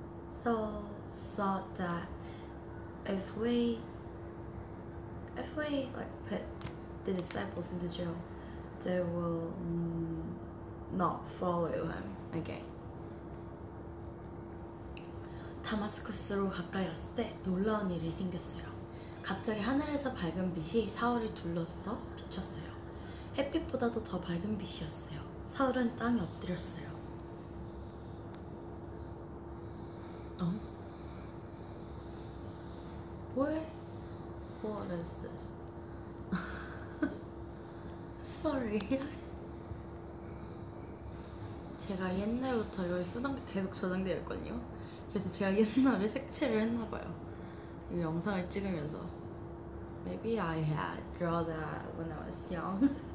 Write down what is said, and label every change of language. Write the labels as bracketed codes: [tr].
[en] Saul thought that if we put the disciples in the jail, they will not follow him again. [ko] 다마스쿠스로 가까이 갔을 때 놀라운 일이 생겼어요. 갑자기 하늘에서 밝은 빛이 사울을 둘러서 비쳤어요. 햇빛보다도 더 밝은 빛이었어요. 사울은 땅에 엎드렸어요. [en] What is this? Sorry. [ko] 제가 옛날부터 여기 쓰던 게 계속 저장되어 있거든요. 그래서 제가 옛날에 색칠을 했나 봐요. 이 영상을 찍으면서. [en] Maybe I had drawn that when I was young.